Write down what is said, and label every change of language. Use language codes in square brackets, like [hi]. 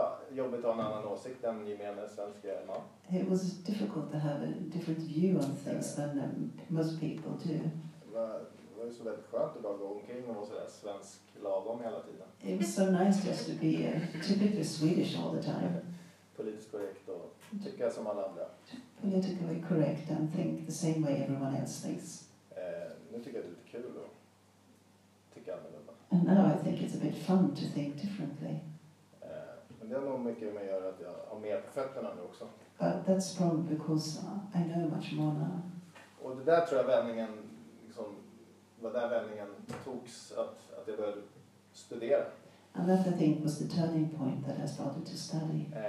[sv] Jobbigt att ha en annan åsikt än gemene svenska man. [en] It was difficult to have a different view on things than most people do. [sv] Det var ju så väldigt skönt att bara gå omkring och vara sådär svensk lagom hela tiden. [en] It was so nice just to be typically Swedish all the time. [sv] Politiskt korrekt och tycka som alla andra. [en] Politically correct and think the same way everyone else thinks. [sv] Nu tycker jag det är lite kul att tycka annorlunda. [en] And now I think it's a bit fun to think differently. [sv] Men det har nog mycket med att göra att jag har mer på fötterna nu också. [en] But that's probably because I know much more now. [sv] Och det där tror jag vändningen, liksom, var där vändningen togs att jag började studera. [en] And that I think was the turning point that I started to study.